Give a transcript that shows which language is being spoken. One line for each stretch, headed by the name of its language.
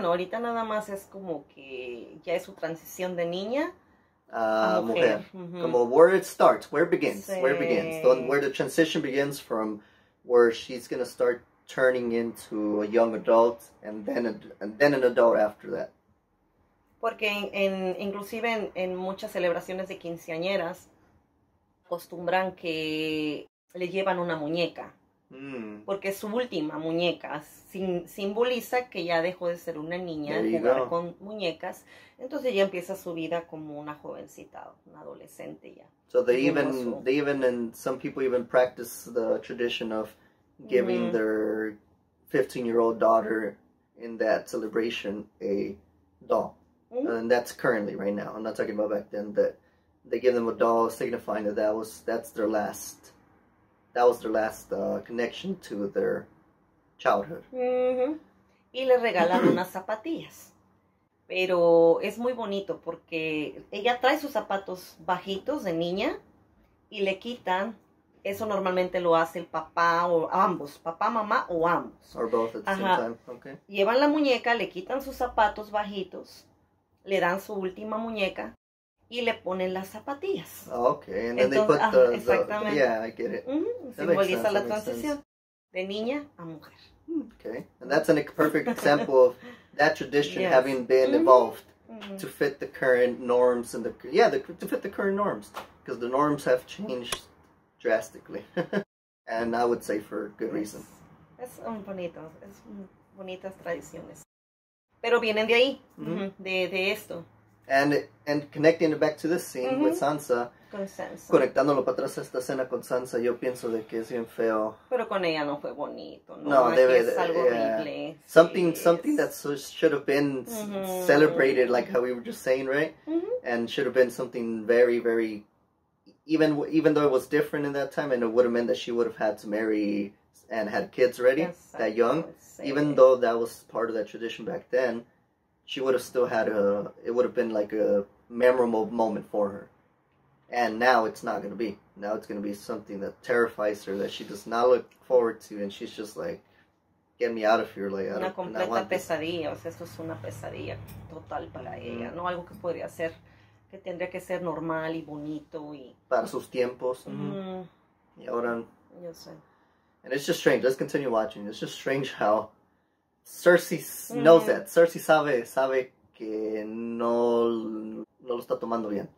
Spanish: No, ahorita nada más es como que ya es su transición de niña a mujer.
English: Mm-hmm. Como where it starts, where it begins, sí. where it begins. Where the transition begins from where she's going to start turning into a young adult and then an adult after that.
Spanish: Porque inclusive en muchas celebraciones de quinceañeras acostumbran que le llevan una muñeca. Porque su última muñeca simboliza que ya dejó de ser una niña, jugar con muñecas. Entonces ya empieza su vida como una jovencita, una adolescente ya.
English: So they even, and some people even practice the tradition of giving mm-hmm. their 15-year-old daughter in that celebration a doll. Mm-hmm. And that's currently right now. I'm not talking about back then. That they give them a doll signifying that's their last... That was their last connection to their childhood.
Spanish: Mm-hmm. Y le regalan unas zapatillas. Pero es muy bonito porque ella trae sus zapatos bajitos de niña y le quitan eso normalmente lo hace el papá o ambos, papá, mamá o ambos.
English: Or both at the same time, okay.
Spanish: Llevan la muñeca, le quitan sus zapatos bajitos, le dan su última muñeca y le ponen las zapatillas.
English: Oh, okay, and then
Spanish: entonces,
English: they put the,
Spanish: exactamente.
English: The, yeah, I get it.
Spanish: Mm-hmm. Simboliza la transición de niña a mujer.
English: Okay, and that's a perfect example of that tradition, yes, having been mm-hmm. evolved mm-hmm. to fit the current norms and the, yeah, the, to fit the current norms, because the norms have changed drastically, and I would say for good yes. reason.
Spanish: Es un bonito, es un bonitas tradiciones, pero vienen de ahí, mm-hmm. de esto.
English: And connecting it back to this scene mm-hmm. with Sansa.
Spanish: Con Sansa. Conectándolo para atrás a esta escena con Sansa, yo pienso de que es bien feo. Pero con ella no fue bonito, ¿no? No, debe, es algo yeah. horrible.
English: Something, yes. something that should have been mm-hmm. celebrated, like how we were just saying, right? Mm-hmm. And should have been something very, very, even though it was different in that time, and it would have meant that she would have had to marry and had kids already, yes, that young, even though that was part of that tradition back then. She would have still had a, it would have been like a memorable moment for her. And now it's not going to be. Now it's going to be something that terrifies her, that she does not look forward to. And she's just like, get me out of here. Like,
Spanish: una completa pesadilla. O sea, esto es una pesadilla total para ella. No algo que podría ser, que tendría que ser normal y bonito. Y para sus tiempos. Mm-hmm. Y ahora. Yo sé.
English: And it's just strange. Let's continue watching. It's just strange how Cersei knows mm-hmm. that.
Spanish: Cersei sabe que no lo está tomando bien.